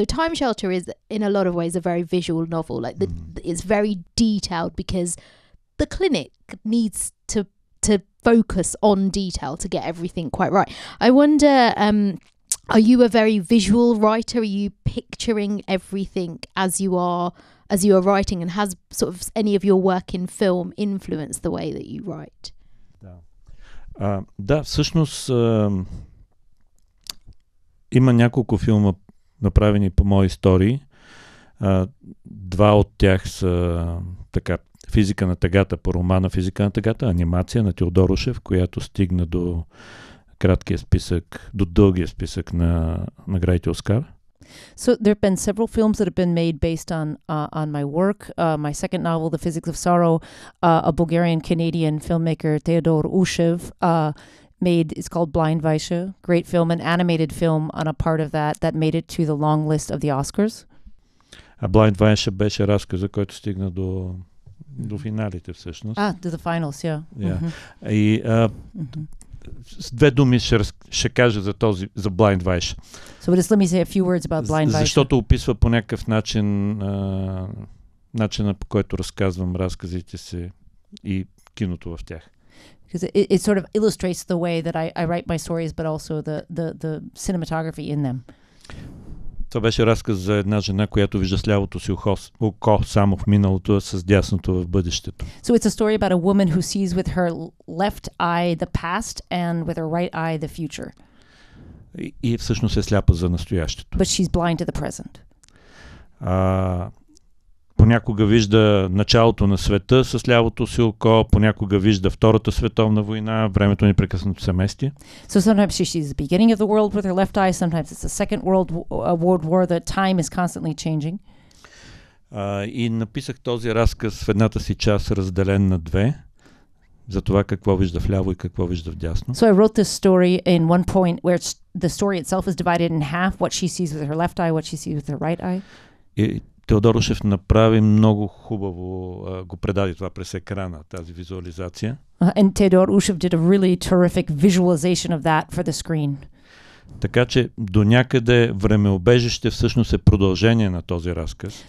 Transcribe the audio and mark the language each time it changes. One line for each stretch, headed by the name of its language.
English: So Time Shelter is in a lot of ways a very visual novel. Like it's very detailed because the clinic needs to focus on detail to get everything quite right. I wonder, are you a very visual writer? Are you picturing everything as you are writing? And has sort of any of your work in film influenced the way that you write?
Bulgarian: Да, всъщност има няколко филма, направени по мои истории. Два от тях са така Физика на тъгата по романа Физика на тъгата, анимация на Теодорушев, която стигна до краткия списък, до дългия списък на наградите Оскар.
English: So there have been several films that have been made based on my work. My second novel, The Physics of Sorrow, a Bulgarian-Canadian filmmaker, Teodor Ushev, it's called Blind Vaisha, great film, an animated film on a part of that made it to the long list of the Oscars.
Bulgarian: А Blind Vaisha беше разказа, който стигна до финалите всъщност.
English: To the finals, yeah.
Bulgarian: Mm-hmm. И с две думи ще кажа за този, за Blind Vaisha.
English: So just let me say a few words about Blind Vaisha.
Bulgarian: Защото описва по някакъв начин начина, по който разказвам разказите си и киното в тях.
English: Because it sort of illustrates the way that I write my stories, but also the cinematography in them.
Bulgarian: Това беше разказ за една жена, която вижда с лявото си око само в миналото, а с дясното в бъдещето.
English: So it's a story about a woman who sees with her left eye the past and with her right eye the future.
Bulgarian: И всъщност е сляпа за настоящето.
English: But she's blind to the present.
Bulgarian: Понякога вижда началото на света с лявото си око, понякога вижда Втората световна война, времето непрекъснато се мести.
English: So sometimes she sees the beginning of the world with her left eye, sometimes it's the Second World War, the time is constantly changing.
Bulgarian: И написах този разказ в едната си част, разделен на две, за това какво вижда в ляво и какво вижда в дясно.
English: So I wrote this story in one point where the story itself is divided in half, what she sees with her left eye, what she sees with her right eye.
Bulgarian: Теодорушев направи много хубаво, го предаде това през екрана, тази визуализация.
English: And Teodor Ushev did a really terrific visualization of that for the screen.
Bulgarian: Така че до някъде Времеубежище всъщност е продължение на този разказ.